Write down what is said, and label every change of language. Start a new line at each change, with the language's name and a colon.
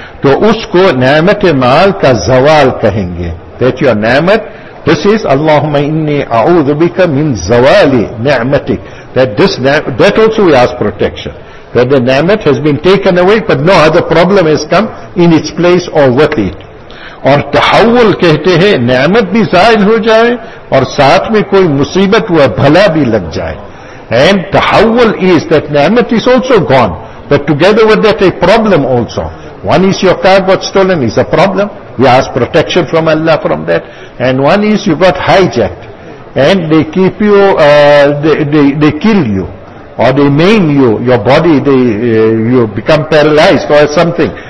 Urdu: To usko ni'mat-e-maal ka zawal kahenge.
English: That your ni'mat, this is
Arabic: Allahumma inni a'udhu bika min zawali ni'matik.
English: That also we ask protection. That the ni'mat has been taken away, but no other problem has come in its place or with it.
Urdu: اور تحول کہتے ہیں نعمت بھی زائل ہو جائے اور ساتھ میں کوئی مصیبت و بھلا بھی لگ جائے.
English: And تحول is that نعمت is also gone, but together with that a problem also. One is your car got stolen is a problem, we ask protection from Allah from that. And one is you got hijacked and they keep you they kill you or they maim you, your body you become paralyzed or something.